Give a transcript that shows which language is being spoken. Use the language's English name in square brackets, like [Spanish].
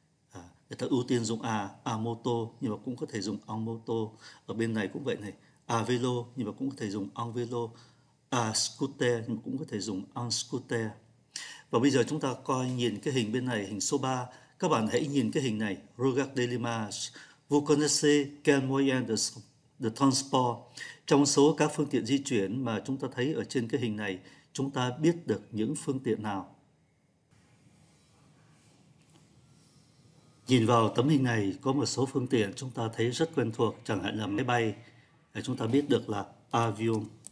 [Vietnamese] À, người ta ưu tiên dùng à mô tô, nhưng mà cũng có thể dùng ăn mô tô. Ở bên này cũng vậy này, à velo, nhưng mà cũng có thể dùng ăn velo, à scooter, nhưng mà cũng có thể dùng ăn scooter. Và bây giờ chúng ta coi nhìn cái hình bên này, hình số 3. Các bạn hãy nhìn cái hình này, [French] Regardez l'image. Vous connaissez quel moyen de transport? [Vietnamese] Trong số các phương tiện di chuyển mà chúng ta thấy ở trên cái hình này, chúng ta biết được những phương tiện nào? Nhìn vào tấm hình này, có một số phương tiện chúng ta thấy rất quen thuộc, chẳng hạn là máy bay, chúng ta biết được là avion.